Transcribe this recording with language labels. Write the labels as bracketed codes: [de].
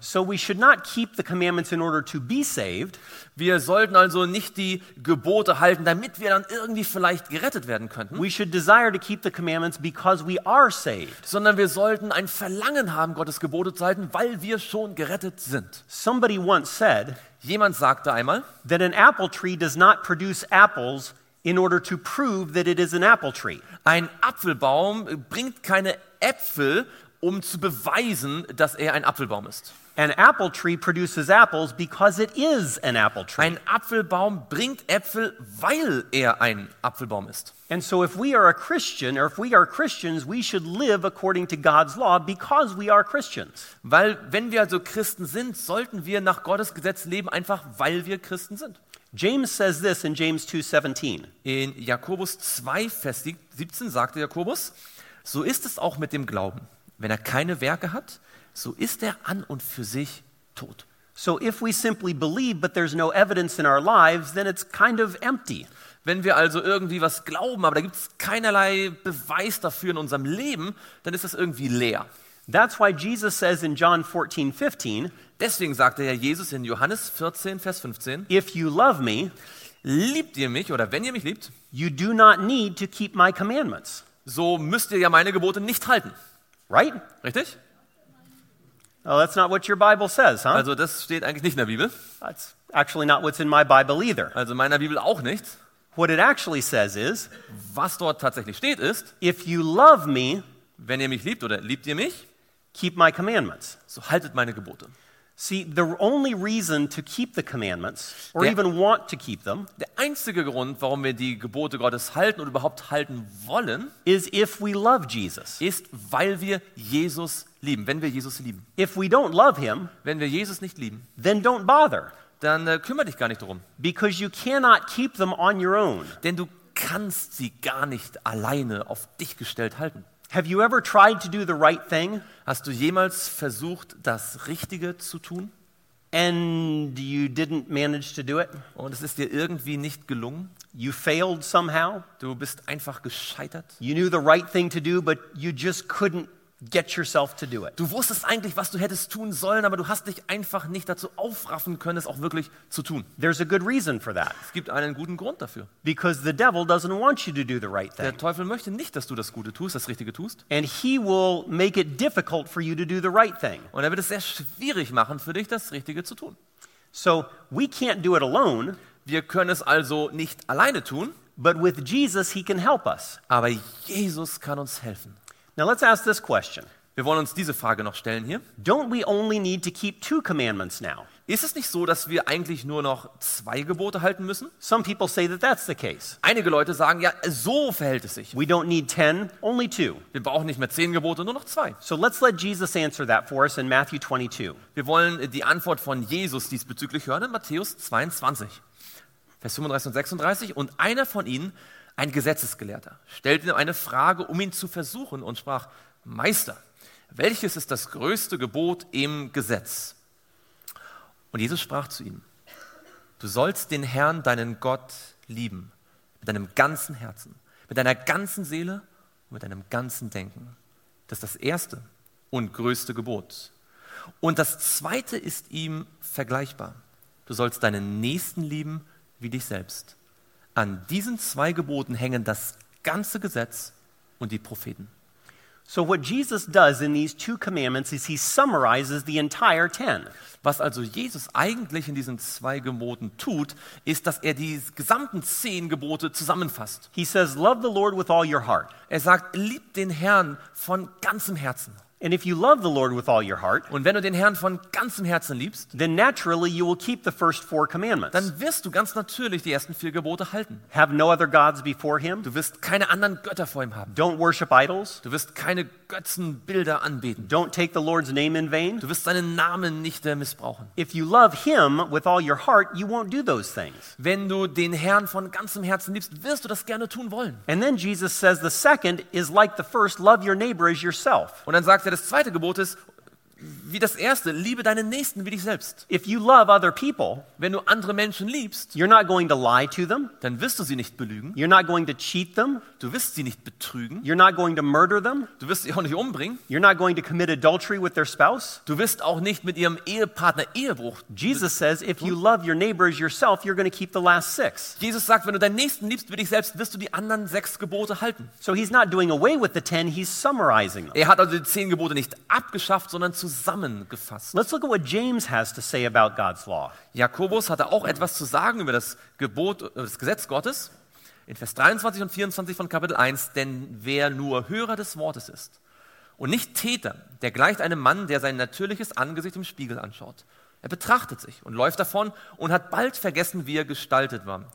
[en] So we should not keep the commandments in order to be saved. [de] Wir sollten also nicht die Gebote halten, damit wir dann irgendwie vielleicht gerettet werden könnten. [en] We should desire to keep the commandments because we are saved. [de] Sondern wir sollten ein Verlangen haben, Gottes Gebote zu halten, weil wir schon gerettet sind. [en] Somebody once said, [de] jemand sagte einmal, [en] that an apple tree does not produce apples in order to prove that it is an apple tree. [de] Ein Apfelbaum bringt keine Äpfel, um zu beweisen, dass er ein Apfelbaum ist. [en] An apple tree produces apples because it is an apple tree. [de] Ein Apfelbaum bringt Äpfel, weil er ein Apfelbaum ist. [en] And so if we are a Christian or if we are Christians, we should live according to God's law because we are Christians. [de] Weil wenn wir also Christen sind, sollten wir nach Gottes Gesetz leben, einfach weil wir Christen sind. [en] James says this in James 2:17. [de] In Jakobus 2 Vers 17 sagte Jakobus, so ist es auch mit dem Glauben. Wenn er keine Werke hat, so ist er an und für sich tot. [en] So if we simply believe but there's no evidence in our lives, then it's kind of empty. [de] Wenn wir also irgendwie was glauben, aber da gibt's keinerlei Beweis dafür in unserem Leben, dann ist das irgendwie leer. [en] That's why Jesus says in John 14:15, [de] deswegen sagte ja Jesus in Johannes 14 Vers 15, [en] if you love me, [de] liebt ihr mich oder wenn ihr mich liebt, [en] you do not need to keep my commandments. [de] So müsst ihr ja meine Gebote nicht halten. [en] Right? [de] Richtig? [en] Well, that's not what your Bible says, huh? [de] Also, das steht eigentlich nicht in der Bibel. [en] That's actually not what's in my Bible either. [de] Also, in meiner Bibel auch nicht. [en] What it actually says is, [de] was dort tatsächlich steht ist, [en] if you love me, [de] wenn ihr mich liebt oder liebt ihr mich, [en] keep my commandments. [de] So haltet meine Gebote. [en] See, the only reason to keep the commandments or even want to keep them, [de] der einzige Grund, warum wir die Gebote Gottes halten oder überhaupt halten wollen, [en] is if we love Jesus. [de] Ist, weil wir Jesus lieben, wenn wir Jesus lieben. [en] If we don't love him, [de] wenn wir Jesus nicht lieben, [en] then don't bother. [de] Dann kümmere dich gar nicht darum. [en] Because you cannot keep them on your own. [de] Denn du kannst sie gar nicht alleine auf dich gestellt halten. [en] Have you ever tried to do the right thing? [de] Hast du jemals versucht, das Richtige zu tun? [en] And you didn't manage to do it? [de] Und es ist dir irgendwie nicht gelungen? [en] You failed somehow? [de] Du bist einfach gescheitert? [en] You knew the right thing to do, but you just couldn't get yourself to do it. [de] Du wusstest eigentlich, was du hättest tun sollen, aber du hast dich einfach nicht dazu aufraffen können, es auch wirklich zu tun. [en] There's a good reason for that. [de] Es gibt einen guten Grund dafür. [en] Because the devil doesn't want you to do the right thing. [de] Der Teufel möchte nicht, dass du das Gute tust, das Richtige tust. [en] And he will make it difficult for you to do the right thing. [de] Und er wird es sehr schwierig machen für dich, das Richtige zu tun. [en] So we can't do it alone. [de] Wir können es also nicht alleine tun. [en] But with Jesus he can help us. [de] Aber Jesus kann uns helfen. [en] Now let's ask this question. [de] Wir wollen uns diese Frage noch stellen hier. [en] Don't we only need to keep two commandments now? [de] Ist es nicht so, dass wir eigentlich nur noch zwei Gebote halten müssen? [en] Some people say that that's the case. [de] Einige Leute sagen, ja, so verhält es sich. [en] We don't need 10, only 2. [de] Wir brauchen nicht mehr 10 Gebote, nur noch 2. [en] So let's let Jesus answer that for us in Matthew 22. [de] Wir wollen die Antwort von Jesus diesbezüglich hören in Matthäus 22. Vers 35 und 36 und einer von ihnen, ein Gesetzesgelehrter, stellte ihm eine Frage, um ihn zu versuchen, und sprach, Meister, welches ist das größte Gebot im Gesetz? Und Jesus sprach zu ihm, du sollst den Herrn, deinen Gott, lieben, mit deinem ganzen Herzen, mit deiner ganzen Seele mit deinem ganzen Denken. Das ist das erste und größte Gebot. Und das zweite ist ihm vergleichbar. Du sollst deinen Nächsten lieben wie dich selbst. An diesen zwei Geboten hängen das ganze Gesetz und die Propheten. [en] So what Jesus does in these two commandments is he summarizes the entire ten. [de] Was also Jesus eigentlich in diesen zwei Geboten tut, ist, dass er die gesamten 10 Gebote zusammenfasst. [en] He says, love the Lord with all your heart. [de] Er sagt, lieb den Herrn von ganzem Herzen. [en] And if you love the Lord with all your heart, [de] und wenn du den Herrn von ganzem Herzen liebst, [en] then naturally you will keep the first 4 commandments. [de] Dann wirst du ganz natürlich die ersten 4 Gebote halten. [en] Have no other gods before him. [de] Du wirst keine anderen Götter vor ihm haben. [en] Don't worship idols. [de] Du wirst keine Götzenbilder anbeten. [en] Don't take the Lord's name in vain. [de] Du wirst seinen Namen nicht missbrauchen. [en] If you love him with all your heart, you won't do those things. [de] Wenn du den Herrn von ganzem Herzen liebst, wirst du das gerne tun wollen. [en] And then Jesus says the second is like the first, love your neighbor as yourself. [de] Und dann sagt er, das zweite Gebot ist wie das erste, liebe deinen Nächsten wie dich selbst. [en] If you love other people, [de] wenn du andere Menschen liebst, [en] you're not going to lie to them, [de] dann wirst du sie nicht belügen. [en] You're not going to cheat them, [de] du wirst sie nicht betrügen. [en] You're not going to murder them, [de] du wirst sie auch nicht umbringen. [en] You're not going to commit adultery with their spouse, [de] du wirst auch nicht mit ihrem Ehepartner Ehebruch. [en] Jesus says, if you love your neighbor as yourself, you're going to keep the last 6. [de] Jesus sagt, wenn du deinen Nächsten liebst wie dich selbst, wirst du die anderen 6 Gebote halten. [en] So he's not doing away with the 10, he's summarizing them. [de] Er hat also die 10 Gebote nicht abgeschafft, sondern zusammengefasst. [en] Let's look at what James has to say about God's law. [de] Jakobus hatte auch etwas zu sagen über das Gebot, das Gesetz Gottes. In Vers 23 und 24 von Kapitel 1, denn wer nur Hörer des Wortes ist und nicht Täter, der gleicht einem Mann, der sein natürliches Angesicht im Spiegel anschaut. Er betrachtet sich und läuft davon und hat bald vergessen, wie er gestaltet war.